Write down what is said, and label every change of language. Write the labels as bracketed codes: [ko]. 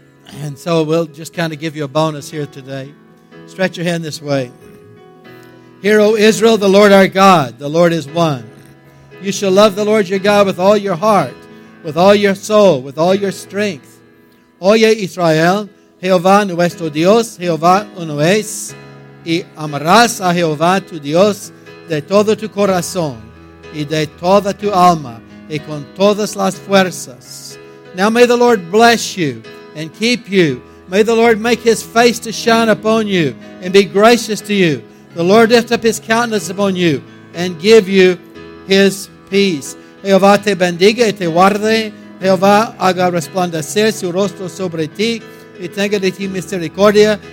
[en] And so we'll just kind of give you a bonus here today. Stretch your hand this way. Hear, O Israel, the Lord our God, the Lord is one. You shall love the Lord your God with all your heart, with all your soul, with all your strength. [es] Oye, Israel, Jehová nuestro Dios, Jehová uno es, y amarás a Jehová tu Dios de todo tu corazón y de toda tu alma y con todas las fuerzas. [en] Now may the Lord bless you and keep you. May the Lord make His face to shine upon you and be gracious to you. The Lord lift up His countenance upon you and give you His peace. [es] Jehová te bendiga y te guarde. Jehová haga resplandecer su rostro sobre ti y tenga de ti misericordia.